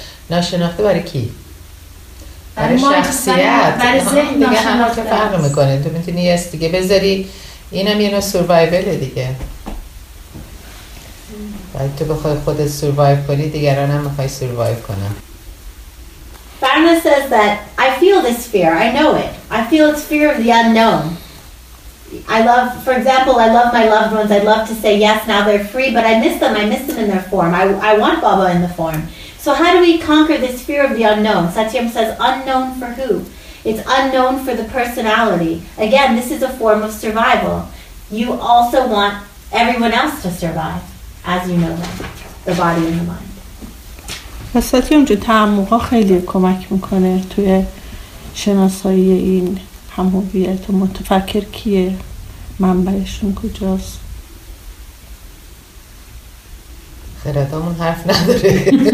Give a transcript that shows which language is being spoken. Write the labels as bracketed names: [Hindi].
[Persian] ناشناخته برای کی؟ برای شخصیت, برای ذهن. دیگه هم که فرق میکنه, تو میتونی یه دیگه بذاری, اینم یه نوع سوروایوله دیگه. باید تو بخوای خودت سوروایو کنی, دیگران هم میخوای سوروایو کنن. [English] Varna says that, I feel this fear, I know it. I feel it's fear of the unknown. For example, I love my loved ones. I'd love to say yes, now they're free, but I miss them in their form. I want Baba in the form. So how do we conquer this fear of the unknown? Satyam says, unknown for who? It's unknown for the personality. Again, this is a form of survival. You also want everyone else to survive, as you know them, the body and the mind. [Persian] ساتیام جو تعمق ها خیلی کمک میکنه توی شناسایی این هم‌هویت و متفکر کیه منبعشون کجاست خیلیت همون حرف نداره